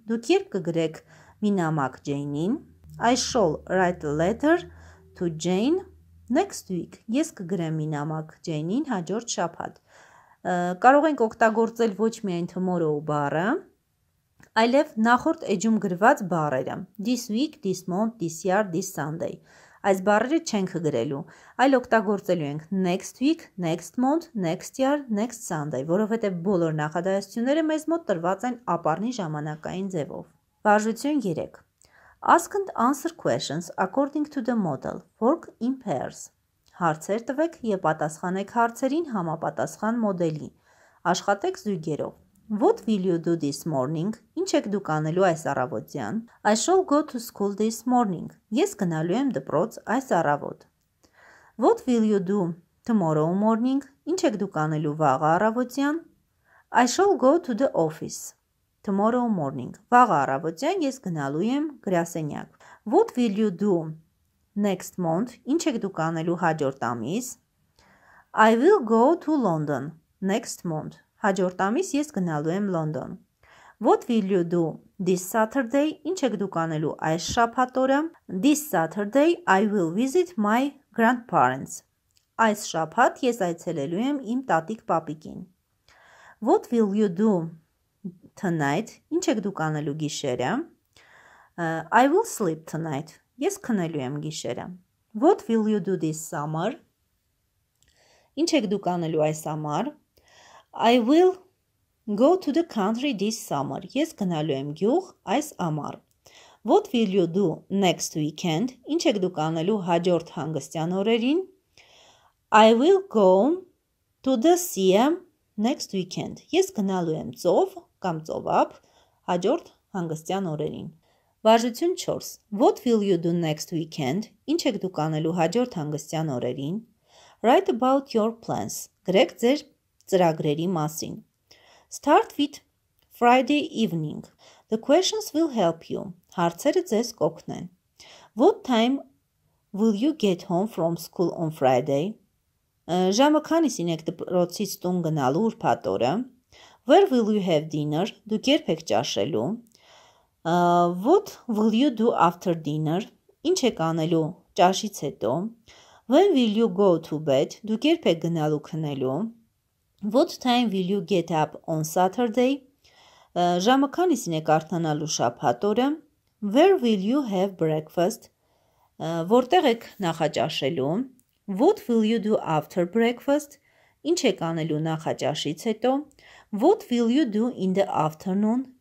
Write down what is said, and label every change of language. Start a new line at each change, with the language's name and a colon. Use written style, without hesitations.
Armenian: Դուք երբ կգրեք մի նամակ Jane-ին?
English: I shall write a letter to Jane next week.
Armenian: Ես կգրեմ մի նամակ Jane-ին հաջորդ շաբաթ։ Կարող ենք օգտագործել ոչ միայն tomorrow բառը, այլև նախորդ էջում գրված բառերը.
English: This week, this month, this year, this Sunday.
Armenian: Այս բառերը չենք գրելու, այլ օգտագործելու ենք
English: next week, next month, next year, next Sunday,
Armenian: որովհետև բոլոր նախադասությունները մեզ մոտ տրված են ապառնի ժամանակային ձևով։ Վարժություն 3.
English: Ask and answer questions according to the model. Work in pairs.
Armenian: Հարցեր տվեք եւ պատասխանեք հարցերին համապատասխան մոդելի։ Աշխատեք զույգերով։
English: What will you do this morning?
Armenian: Ինչ եք դուք անելու այս առավոտյան?
English: I shall go to school this morning.
Armenian: Ես գնալու եմ դպրոց այս առավոտ։
English: What will you do tomorrow morning?
Armenian: Ինչ եք դուք անելու վաղը առավոտյան?
English: I shall go to the office tomorrow morning.
Armenian: Վաղը առավոտյան ես գնալու եմ գրասենյակ.
English: What will you do next month?
Armenian: Ինչ եք դուք անելու հաջորդ ամիս?
English: I will go to London next month.
Armenian: Հաջորդ ամիս ես գնալու եմ Լոնդոն.
English: What will you do this Saturday?
Armenian: Ինչ եք դուք անելու այս շաբաթը?
English: This Saturday I will visit my grandparents.
Armenian: Այս շաբաթ ես այցելելու եմ իմ տատիկ պապիկին.
English: What will you do tonight?
Armenian: Ինչ եք դուք անելու գիշերը?
English: I will sleep tonight.
Armenian: Ես քնելու եմ գիշերը.
English: What will you do this summer?
Armenian: Ինչ եք դուք անելու այս ամառ?
English: I will go to the country this summer.
Armenian: Ես գնալու եմ գյուղ այս ամառ.
English: What will you do next weekend?
Armenian: Ինչ եք դուք անելու հաջորդ հանգստյան օրերին?
English: I will go to the sea next weekend.
Armenian: Ես գնալու եմ ծով կամ ծովափ հաջորդ հանգստյան օրերին. Վարժություն 4.
English: What will you do next weekend?
Armenian: Ինչ եք դուք անելու հաջորդ հանգստյան օրերին?
English: Write about your plans.
Armenian: Գրեք ձեր ծրագրերի մասին.
English: Start with Friday evening. The questions will help you.
Armenian: Հարցերը ձեզ կօգնեն.
English: What time will you get home from school on Friday?
Armenian: Ժամը քանիսին եք դպրոցից տուն գնալու ուրբաթ օրը?
English: Where will you have dinner?
Armenian: Դուք երբ եք ճաշելու?
English: What will you do after dinner?
Armenian: Ինչ եք անելու ճաշից հետո?
English: When will you go to bed?
Armenian: Դուք երբ եք գնալու քնելու? What time will you get up on Saturday? Ժամը քանիսին եք արթնանալու շաբաթ օրը?
English: Where will you have breakfast?
Armenian: Որտեղ եք նախաճաշելու?
English: What will you do after breakfast?
Armenian: Ինչ եք անելու նախաճաշից հետո?
English: What will you do in the afternoon?